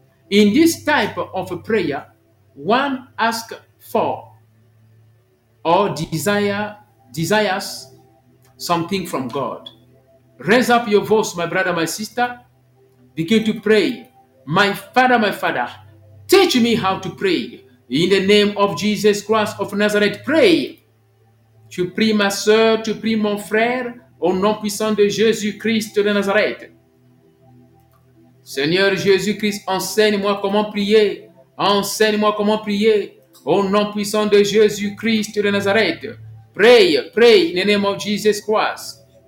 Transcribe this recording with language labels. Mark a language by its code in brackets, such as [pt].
[en] In this type of a prayer, one asks for or desires something from God. Raise up your voice, my brother, my sister. Begin to pray. My Father, teach me how to pray. In the name of Jesus Christ of Nazareth, pray. [fr] Tu pries ma soeur, tu pries mon frère, au nom puissant de Jésus-Christ de Nazareth. Seigneur Jésus-Christ, enseigne-moi comment prier. Enseigne-moi comment prier, au nom puissant de Jésus-Christ de Nazareth. [en] Pray, pray, in the name of Jesus Christ.